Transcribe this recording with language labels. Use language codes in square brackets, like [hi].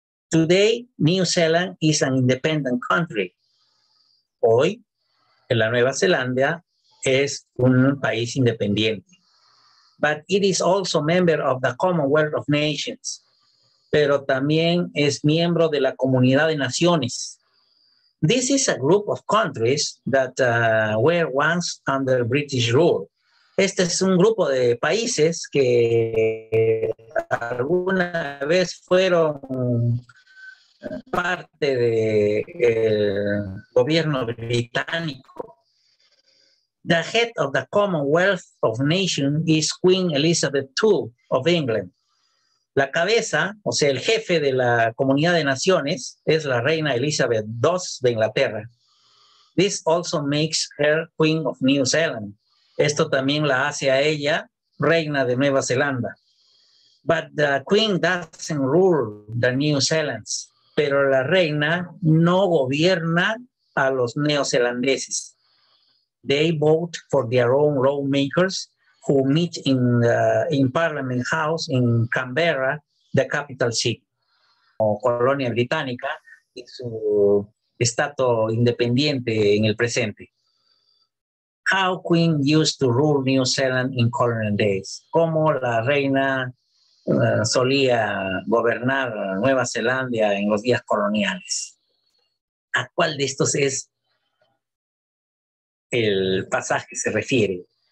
[en] Today, New Zealand is an independent country. [es] Hoy, la Nueva Zelanda es un país independiente. [en] But it is also member of the Commonwealth of Nations. [es] Pero también es miembro de la comunidad de naciones. [en] This is a group of countries that were once under British rule. [es] Este es un grupo de países que alguna vez fueron parte del gobierno británico. [en] The head of the Commonwealth of Nations is Queen Elizabeth II of England. [es] La cabeza, o sea, el jefe de la comunidad de naciones, es la reina Elizabeth II de Inglaterra. [en] This also makes her Queen of New Zealand. [es] Esto también la hace a ella reina de Nueva Zelanda. [en] But the Queen doesn't rule the New Zealands. [es] Pero la reina no gobierna a los neozelandeses. [en] They vote for their own lawmakers, who meet in Parliament House in Canberra, the capital city. [es] O colonia británica y su estatuto independiente en el presente. [en] How Queen used to rule New Zealand in colonial days. [es] Cómo la reina solía gobernar Nueva Zelanda en los días coloniales. ¿A cuál de estos es el pasaje que se refiere?